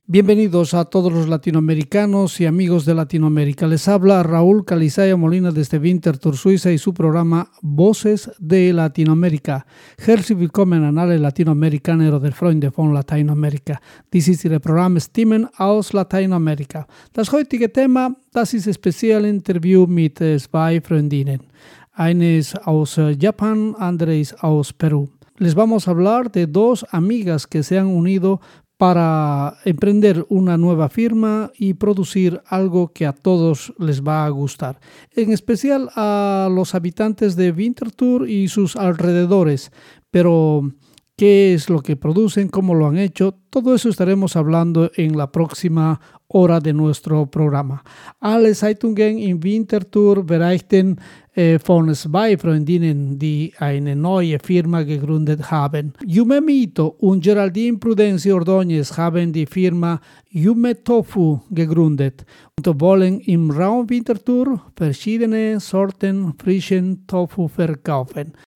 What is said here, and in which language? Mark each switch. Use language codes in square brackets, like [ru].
[es] Bienvenidos a todos los latinoamericanos y amigos de Latinoamérica. Les habla Raúl Calizaya Molina desde Winterthur, Suiza y su programa Voces de Latinoamérica. [de] Herzlich willkommen an alle Latinoamericaner oder Freunde von Lateinamerika. [en] This is the program [de] Stimmen aus Lateinamerika. Das heutige Thema, das ist ein spezielles Interview mit zwei Freundinnen. Eine ist aus Japan, andere ist aus Peru. [es] Les vamos a hablar de dos amigas que se han unido para emprender una nueva firma y producir algo que a todos les va a gustar. En especial a los habitantes de Winterthur y sus alrededores. Pero, ¿qué es lo que producen? ¿Cómo lo han hecho? Todo eso estaremos hablando en la próxima hora de nuestro programa. [de] Alle Zeitungen in Winterthur berichten von zwei Freundinnen, die eine neue Firma gegründet haben. Yumemi Ito und Geraldine Prudencio Ordonez haben die Firma Yumetofu gegründet und wollen im Raum Winterthur verschiedene Sorten frischen Tofu verkaufen.